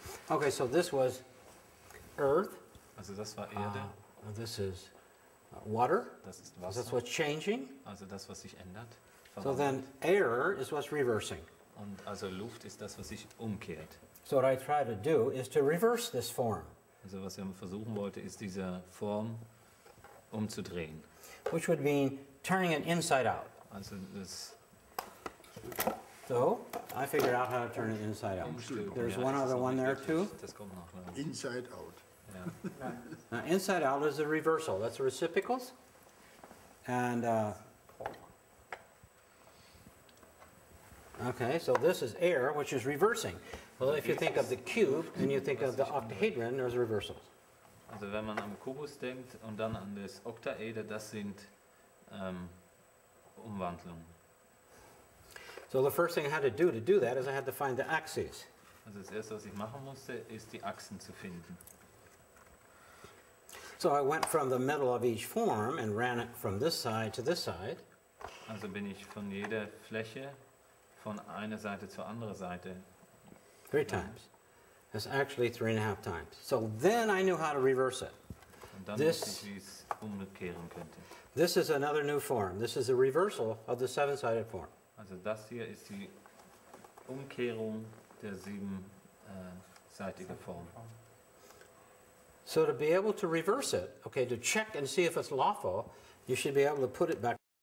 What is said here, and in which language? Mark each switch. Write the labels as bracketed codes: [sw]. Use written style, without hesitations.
[en] Okay, so this was Earth. [de] Also das war Erde. [en] This is water. [de] Das ist Wasser. [en] That's what's changing. [de] Also das, was sich ändert. [en] So then air is what's reversing. [de] Und also Luft ist das, was sich umkehrt. [en] So what I try to do is to reverse this form. [de] Also was ich versuchen wollte, ist diese Form umzudrehen. [en] Which would mean turning it inside out. [de] Also das. [en] So I figured out how to turn it inside out. [de] Umstülpung. [en] There's [de] ja, [en] one other one there [de] wirklich. [en] Too. [de] Das kommt noch. [en] Inside out. Yeah. Now, inside out is a reversal. That's a reciprocals. And okay, so this is air, which is reversing. Well, if you think of the cube and you think of the octahedron, there's reversals. [de] Also, wenn man am Kubus denkt und dann an das Oktaeder, das sind Umwandlungen. [en] So the first thing I had to do that is I had to find the axes. [de] Also, das erste, was ich machen musste, ist die Achsen zu finden. [en] So I went from the middle of each form and ran it from this side to this side. [de] Also bin ich von jeder Fläche von einer Seite zur anderen Seite. [en] Three times. That's actually 3.5 times. So then I knew how to reverse it. [de] Und dann this, wusste ich, wie es umkehren könnte. [en] This is another new form. This is a reversal of the seven-sided form. [de] Also das hier ist die Umkehrung der siebenseitigen Form. [en] So to be able to reverse it, okay, to check and see if it's lawful, you should be able to put it back.